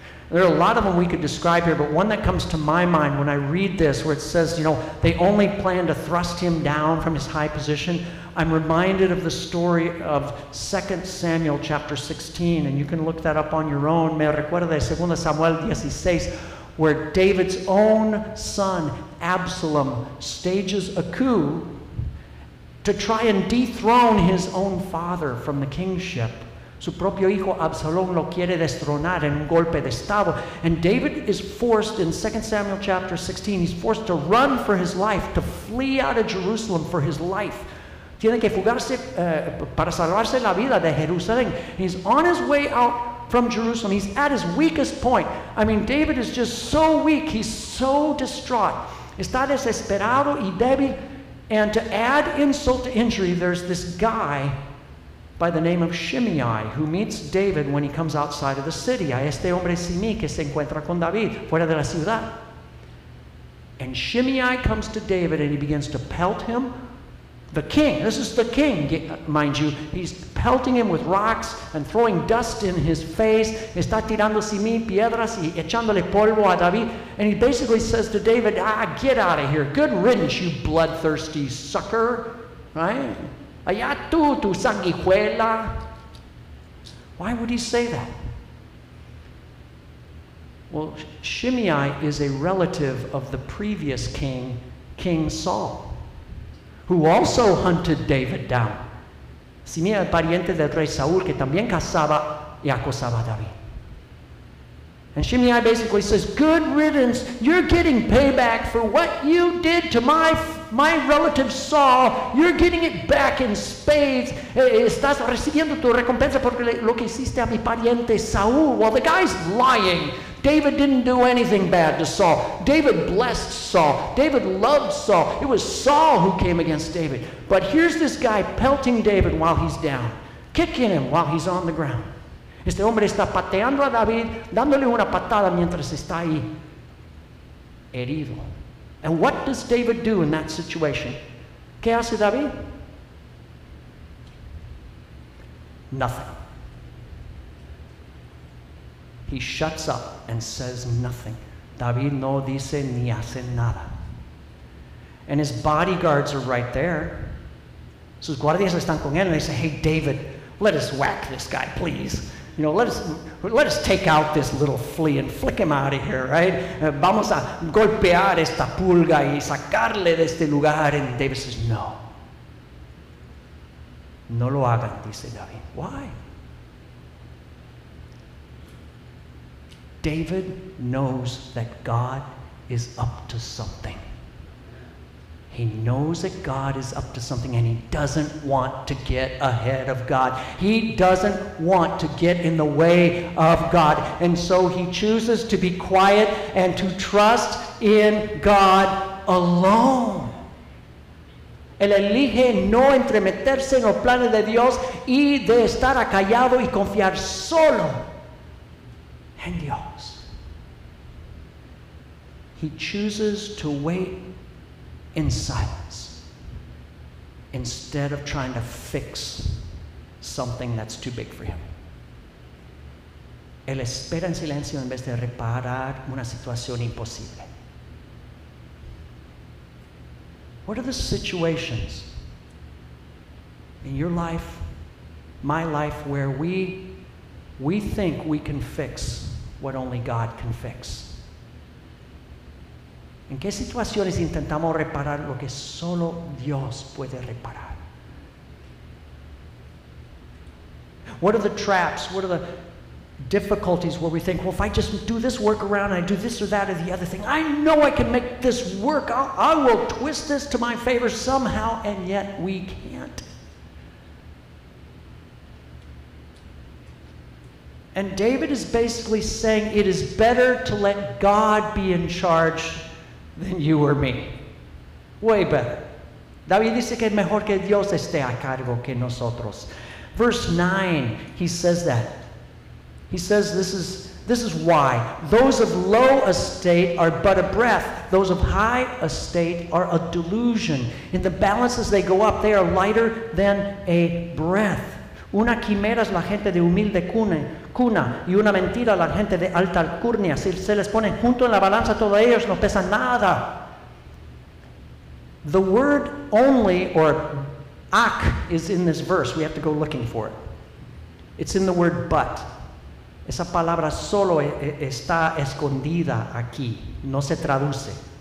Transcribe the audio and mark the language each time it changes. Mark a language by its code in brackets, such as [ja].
[en] There are a lot of them we could describe here, but one that comes to my mind when I read this, where it says, you know, they only plan to thrust him down from his high position, I'm reminded of the story of 2 Samuel chapter 16, and you can look that up on your own. [es] Me recuerda de 2 Samuel 16, [en] where David's own son, Absalom, stages a coup to try and dethrone his own father from the kingship. [es] Su propio hijo Absalom lo quiere destronar en un golpe de estado. [en] And David is forced in 2 Samuel chapter 16, he's forced to run for his life, to flee out of Jerusalem for his life. [es] Tiene que fugarse para salvarse la vida de Jerusalén. [en] He's on his way out from Jerusalem. He's at his weakest point. I mean, David is just so weak. He's so distraught. [es] Está desesperado y débil. [en] And to add insult to injury, there's this guy by the name of Shimei, who meets David when he comes outside of the city. [es] A este hombre Shimei que se encuentra con David fuera de la ciudad. [en] And Shimei comes to David and he begins to pelt him. The king, this is the king, mind you. He's pelting him with rocks and throwing dust in his face. [es] Está tirando Shimei piedras y echándole polvo a David. [en] And he basically says to David, ah, get out of here. Good riddance, you bloodthirsty sucker. Right? [es] Allá tú, tu sanguijuela. [en] Why would he say that? Well, Shimei is a relative of the previous king, King Saul, who also hunted David down. [es] Shimei es pariente del rey Saúl, que también cazaba y acosaba a David. [en] And Shimei basically says, good riddance, you're getting payback for what you did to my relative Saul. You're getting it back in spades. [es] Estás recibiendo tu recompensa por lo que hiciste a mi pariente Saul. [en] Well, the guy's lying. David didn't do anything bad to Saul. David blessed Saul. David loved Saul. It was Saul who came against David. But here's this guy pelting David while he's down, kicking him while he's on the ground. [es] Este hombre está pateando a David, dándole una patada mientras está ahí, herido. [en] And what does David do in that situation? [es] ¿Qué hace David? [en] Nothing. He shuts up and says nothing. [es] David no dice ni hace nada. [en] And his bodyguards are right there. [es] Sus guardias están con él. [en] They say, hey, David, let us whack this guy, please. You know, let us take out this little flea and flick him out of here, right? [es] Vamos a golpear esta pulga y sacarle de este lugar. [en] And David says, no. [es] No lo hagan, dice David. [en] Why? David knows that God is up to something. He knows that God is up to something, and he doesn't want to get ahead of God. He doesn't want to get in the way of God. And so he chooses to be quiet and to trust in God alone. [es] Él elige no entremeterse en los planes de Dios y de estar acallado y confiar solo en Dios. [en] He chooses to wait in silence instead of trying to fix something that's too big for him. [es] Él espera en silencio en vez de reparar una situación imposible. [en] What are the situations in your life, my life, where we think we can fix what only God can fix? [es] ¿En qué situaciones intentamos reparar lo que solo Dios puede reparar? [en] What are the traps? What are the difficulties where we think, well, if I just do this work around and I do this or that or the other thing, I know I can make this work. I will twist this to my favor somehow, and yet we can't. And David is basically saying it is better to let God be in charge than you or me. Way better. [es] David dice que es mejor que Dios esté a cargo que nosotros. [en] Verse 9, he says that. He says this is why. Those of low estate are but a breath. Those of high estate are a delusion. In the balances they go up, they are lighter than a breath. [es] Una quimera es la gente de humilde cuna y una mentira la gente de alta alcurnia. Si se les pone junto en la balanza, todos ellos no pesan nada. [en] The word only or ak is in this verse. We have to go looking for it. It's in the word but. [es] Esa palabra solo está escondida aquí. No se traduce.